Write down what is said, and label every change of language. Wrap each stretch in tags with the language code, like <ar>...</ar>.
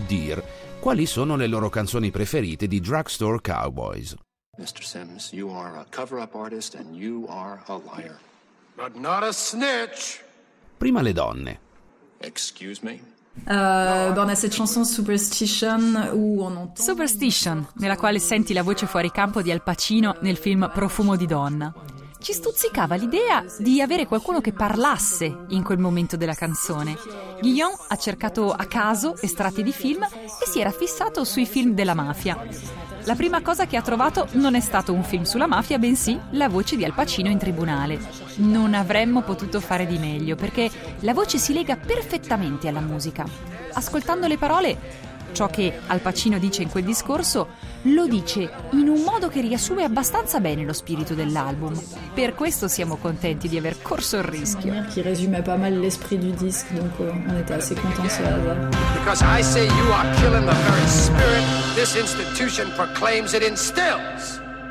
<it>Deere quali sono le loro canzoni preferite di Drugstore Cowboys.</it> <en>Mr. Sims, you are a cover-up artist and you are a liar. But not a snitch.</en> <it>Prima le donne.</it> <en>Excuse me.</en> <fr>Bon, cette chanson Superstition, où on entend...</fr> <it>Superstition, nella quale senti la voce fuori campo di Al Pacino nel film Profumo di donna. Ci stuzzicava l'idea di avere qualcuno che parlasse in quel momento della canzone. Guillaume ha cercato a caso estratti di film e si era fissato sui film della mafia. la prima cosa che ha trovato non è stato un film sulla mafia, bensì la voce di Al Pacino in tribunale. Non avremmo potuto fare di meglio, perché la voce si lega perfettamente alla musica. Ascoltando le parole, ciò che Al Pacino dice in quel discorso lo dice in un modo che riassume abbastanza bene lo spirito dell'album. Per questo siamo contenti di aver corso il rischio.</it> <fr>Che resume pas mal l'esprit du disque, donc on était assez contents sur la</fr> <en>Because I say you are killing the very spirit this institution proclaims it instills.</en>